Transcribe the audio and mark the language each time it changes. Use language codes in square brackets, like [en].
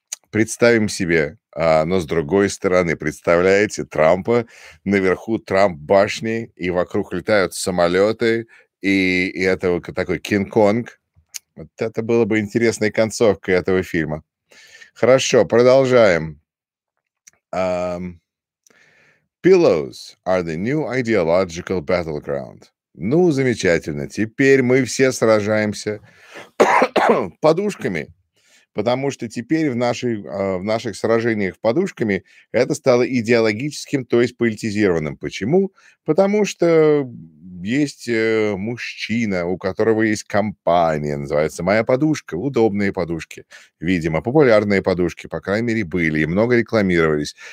[ru] Представим себе, но с другой стороны, представляете, Трампа, наверху Трамп-башни, и вокруг летают самолеты, и это такой Кинг-Конг. Вот это было бы интересной концовкой этого фильма. Хорошо, продолжаем. [en] Pillows are the new ideological battleground. [ru] Ну, замечательно. Теперь мы все сражаемся подушками. Потому что теперь в наших сражениях подушками это стало идеологическим, то есть политизированным. Почему? Потому что есть мужчина, у которого есть компания, называется «Моя подушка», удобные подушки, видимо, популярные подушки, по крайней мере, были и много рекламировались.